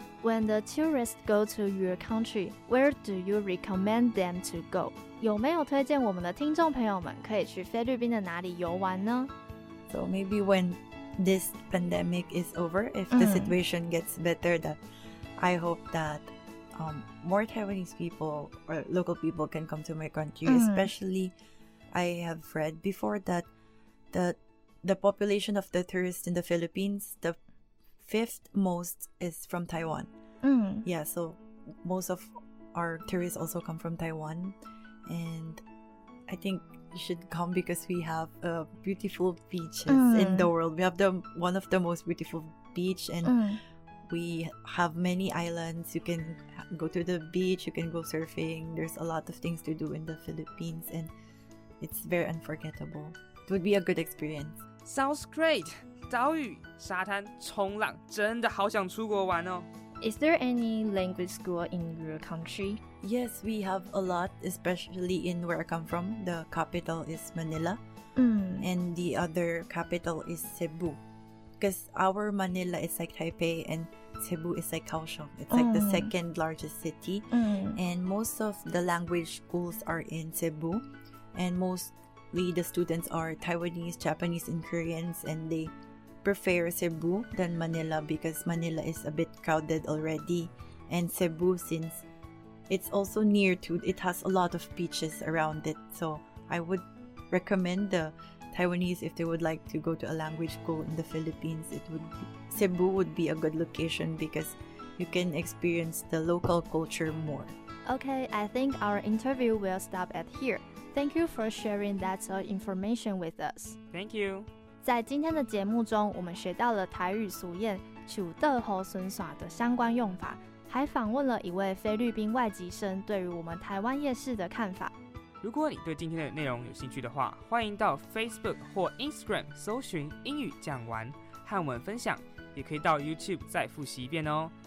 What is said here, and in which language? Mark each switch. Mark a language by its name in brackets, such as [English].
[English] When the tourists go to your country, where do you recommend them to go? [Chinese] 有没有推荐我们的听众朋友们可以去菲律宾的哪里游玩呢？ [English] So maybe when this pandemic is over, if the situation gets better, that I hope that more Taiwanese people or local people can come to my country. Especially, I have read before that the population of the tourists in the Philippines, the fifth most is from Taiwan. Yeah, so most of our tourists also come from Taiwan. And I think you should come because we have beautiful beaches in the world. We have one of the most beautiful beach and we have many islands. You can go to the beach, you can go surfing. There's a lot of things to do in the Philippines and it's very unforgettable. It would be a good experience. Sounds great! [Chinese] 岛屿、沙滩、冲浪，真的好想出国玩哦。 [English] Is there any language school in your country? Yes, we have a lot, especially in where I come from. The capital is Manila, and the other capital is Cebu. Because our Manila is like Taipei, and Cebu is like Kaohsiung. It's like the second largest city. And most of the language schools are in Cebu. And mostly the students are Taiwanese, Japanese, and Koreans. And they prefer Cebu than Manila because Manila is a bit crowded already. And Cebu, since it's also near to, it has a lot of beaches around it. So I would recommend the Taiwanese, if they would like to go to a language school in the Philippines, Cebu would be a good location because you can experience the local culture more. Okay, I think our interview will stop at here. Thank you for sharing that information with us. Thank you. [Chinese] 在今天的节目中，我们学到了台语俗谚樹倒猢猻散的相关用法，还访问了一位菲律宾外籍生对于我们台湾夜市的看法。如果你对今天的内容有兴趣的话，欢迎到 Facebook 或 Instagram 搜寻英语讲完和我们分享，也可以到 YouTube 再复习一遍哦。